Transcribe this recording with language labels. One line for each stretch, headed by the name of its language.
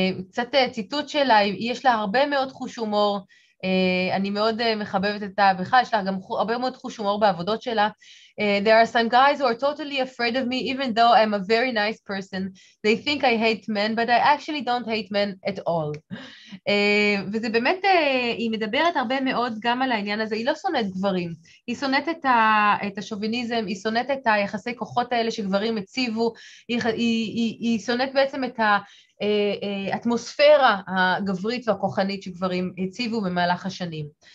Hebrew: קצת ציטוט שלה, יש לה הרבה מאוד חוש הומור, אני מאוד מחבבת את האווירה, יש לה גם הרבה מאוד חוש הומור בעבודות שלה.
English: There are some guys who are totally afraid of me, even though I'm a very nice person. They think I hate men, but I actually don't hate men at all.
Hebrew: וזה באמת, היא מדברת הרבה מאוד גם על העניין הזה, היא לא שונאת גברים, היא שונאת את השוביניזם, היא שונאת את היחסי כוחות האלה שגברים הציבו, היא שונאת בעצם את האטמוספירה הגברית והכוחנית שגברים הציבו במהלך השנים.